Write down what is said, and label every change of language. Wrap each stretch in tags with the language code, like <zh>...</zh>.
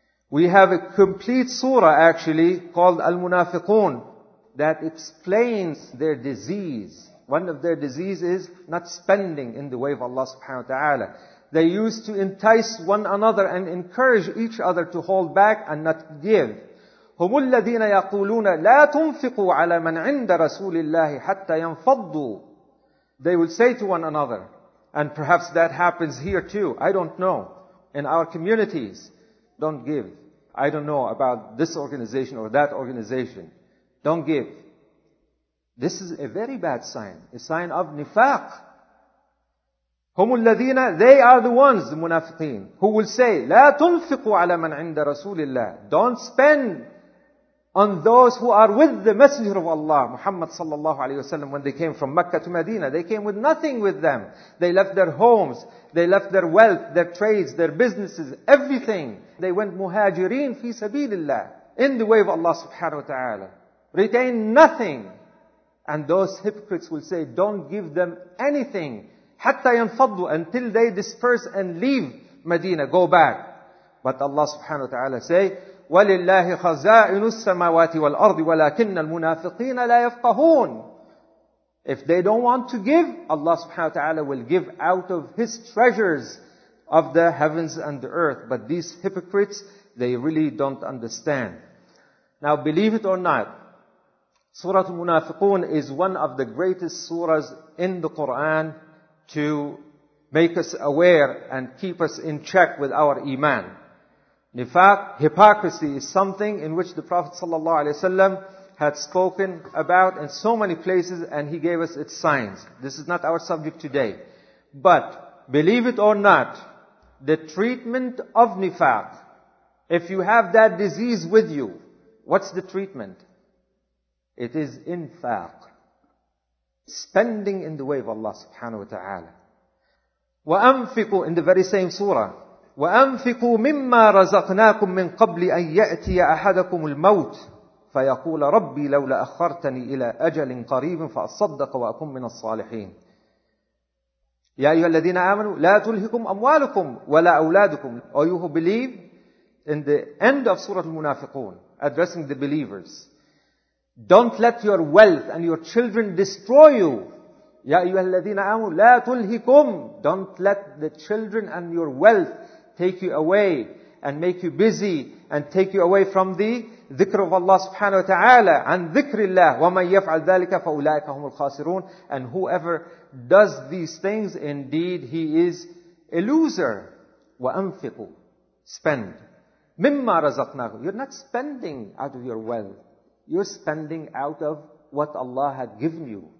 <en>We have a complete surah actually called Al-Munafiqun that explains their disease. One of their diseases is not spending in the way of Allah subhanahu wa ta'ala. They used to entice one another and encourage each other to hold back and not give.</en> <ar>هم الذين يقولون لا تنفقوا على من عند رسول الله حتى ينفضوا.</ar> <en>They will say to one another, and perhaps that happens here too, I don't know, in our communities, don't give. I don't know about this organization or that organization. Don't give. This is a very bad sign, a sign of nifaq.</en> <ar>هم الذين,</ar> <en>they are the ones, the munafiqeen, who will say,</en> <ar>لا تنفقوا على من عند رسول الله.</ar> <en>Don't spend on those who are with the Messenger of Allah, Muhammad sallallahu alayhi wasallam, when they came from Mecca to Medina, they came with nothing with them. They left their homes, they left their wealth, their trades, their businesses, everything. They went muhajireen fi sabilillah, in the way of Allah subhanahu wa ta'ala. Retain nothing. And those hypocrites will say, don't give them anything.</en> <ar>حَتَّى يَنْفَضُّ</ar> <en>until they disperse and leave Medina, go back. But Allah subhanahu wa ta'ala say,</en> <ar>وَلِلَّهِ خَزَائِنُ السَّمَاوَاتِ وَالْأَرْضِ وَلَكِنَّ الْمُنَافِقِينَ لَا يَفْقَهُونَ.</ar> <en>If they don't want to give, Allah subhanahu wa ta'ala will give out of His treasures of the heavens and the earth. But these hypocrites, they really don't understand. Now believe it or not, Surah Munafiqun is one of the greatest surahs in the Quran to make us aware and keep us in check with our iman. Nifaq, hypocrisy, is something in which the Prophet sallallahu alaihi wasallam had spoken about in so many places, and he gave us its signs. This is not our subject today, but believe it or not, the treatment of nifaq, if you have that disease with you, what's the treatment? It is infaq, spending in the way of Allah subhanahu wa ta'ala.</en> <ar>وَأَنْفِقُوا,</ar> <en>in the very same surah,</en> <ar>وَأَنْفِقُوا مِمَّا رَزَقْنَاكُمْ مِنْ قَبْلِ أَنْ يَأْتِيَ أَحَدَكُمُ الْمَوْتِ فَيَقُولَ رَبِّي لَوْلَا أَخَّرْتَنِي إِلَىٰ أَجَلٍ قَرِيبٍ فَأَصَّدَّقَ وَأَكُمْ مِنَ الصَّالِحِينَ. يا أيها الذين آمنوا لا تلهكم أموالكم ولا أولادكم.</ar> <en>Or you who believe, in the end of Surah Al-Munafiqun, addressing the believers, don't let your wealth and your children destroy you.</en> <ar>يا أيها الذين آمنوا لا تلهكم,</ar> <en>don't let the children and your wealth take you away and make you busy and take you away from the ذكر of Allah subhanahu wa ta'ala.</en> <ar>عن ذكر الله ومن يفعل ذلك فأولئك هم الخاسرون.</ar> <en>And whoever does these things, indeed he is a loser.</en> <ar>وأنفقوا,</ar> <en>spend.</en> <ar>مما رزقناه,</ar> <en>you're not spending out of your wealth, you're spending out of what Allah had given you.</en>